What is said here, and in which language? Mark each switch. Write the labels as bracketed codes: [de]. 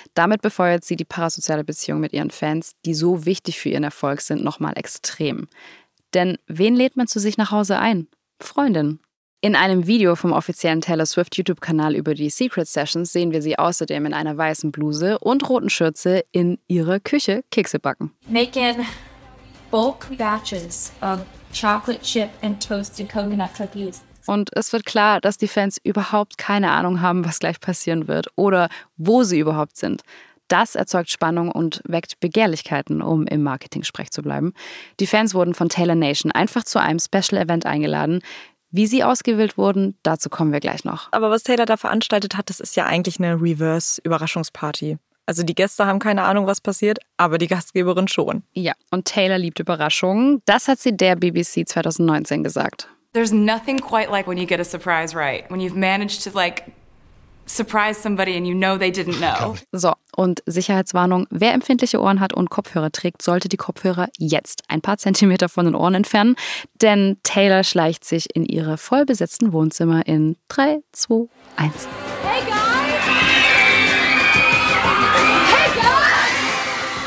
[de] Damit befeuert sie die parasoziale Beziehung mit ihren Fans, die so wichtig für ihren Erfolg sind, nochmal extrem. Denn wen lädt man zu sich nach Hause ein? Freundin. In einem Video vom offiziellen Taylor Swift YouTube-Kanal über die Secret Sessions sehen wir sie außerdem in einer weißen Bluse und roten Schürze in ihrer Küche Kekse backen. [en] Making bulk batches of chocolate chip and toasted coconut cookies. [de] Und es wird klar, dass die Fans überhaupt keine Ahnung haben, was gleich passieren wird oder wo sie überhaupt sind. Das erzeugt Spannung und weckt Begehrlichkeiten, um im Marketing-Sprech zu bleiben. Die Fans wurden von Taylor Nation einfach zu einem Special Event eingeladen. Wie sie ausgewählt wurden, dazu kommen wir gleich noch. Aber was Taylor da veranstaltet hat, das ist ja eigentlich eine Reverse-Überraschungsparty. Also die Gäste haben keine Ahnung, was passiert, aber die Gastgeberin schon. Ja, und Taylor liebt Überraschungen. Das hat sie der BBC 2019 gesagt. [en] There's nothing quite like when you get a surprise right. When you've managed to like surprise somebody and you know they didn't know. [de] So, und Sicherheitswarnung, wer empfindliche Ohren hat und Kopfhörer trägt, sollte die Kopfhörer jetzt ein paar Zentimeter von den Ohren entfernen, denn Taylor schleicht sich in ihre vollbesetzten Wohnzimmer in 3, 2, 1. [en] Hey guys! Hey guys!